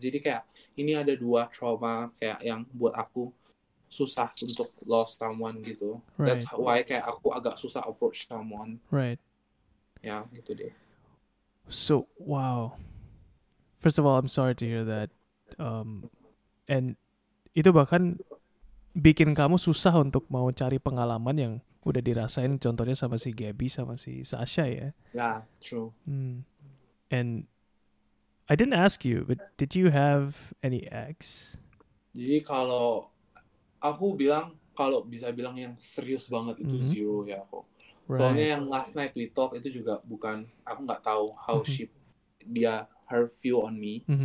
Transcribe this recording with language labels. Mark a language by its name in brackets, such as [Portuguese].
[Indonesian] Jadi kayak ini ada dua trauma kayak yang buat aku susah untuk love someone gitu. [English] Right. That's why [Indonesian] kayak aku agak susah approach someone. [English] Right. [Indonesian] Ya, gitu deh. [English] So, wow. First of all, I'm sorry to hear that. [Indonesian] And itu bahkan bikin kamu susah untuk mau cari pengalaman yang udah dirasain, contohnya sama si Gabby, sama si Sasha ya. [English] Yeah, true. And I didn't ask you, but did you have any ex? [Indonesian] Jadi kalau aku bilang, kalau bisa bilang yang serius banget itu zero ya aku. Right. Soalnya yang [English] last night we talk [Indonesian] itu juga bukan, aku gak tahu [English] how her view on me.